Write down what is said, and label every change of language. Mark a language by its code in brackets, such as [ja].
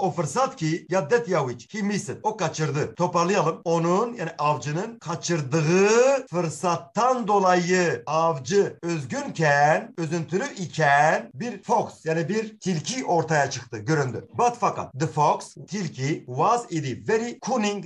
[tr] O fırsat ki, ya that ya which, [en] he missed. [tr] O kaçırdı. Toparlayalım. Onun, yani avcının kaçırdığı fırsattan dolayı avcı özgünken, üzüntülü iken bir fox, yani bir tilki ortaya çıktı, göründü. [en] But fakat, the fox, tilki, was idi very cunning.